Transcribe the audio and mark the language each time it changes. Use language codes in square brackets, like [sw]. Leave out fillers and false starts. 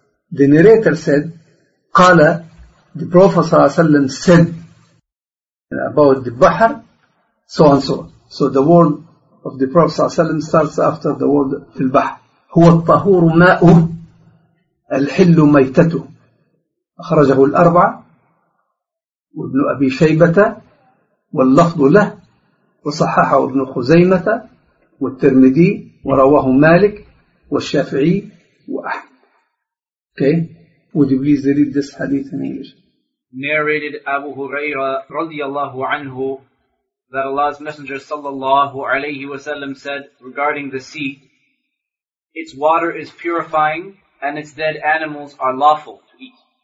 [en] The narrator said, قال, the Prophet said about the Bahar, so and so. So the word of the Prophet starts after the word [ar] في البحر. هو الطهور ماء الحل ميتته. أخرجه الأربعة وابن أبي شيبة واللفظ له وصححه ابن خزيمة والترمذي ورواه مالك والشافعي وأحمد. [en] Okay? Would you please read this hadith in English? Narrated Abu Huraira radiallahu anhu that Allah's Messenger sallallahu alayhi wa sallam said regarding the sea, its water is purifying and its dead animals are lawful to eat.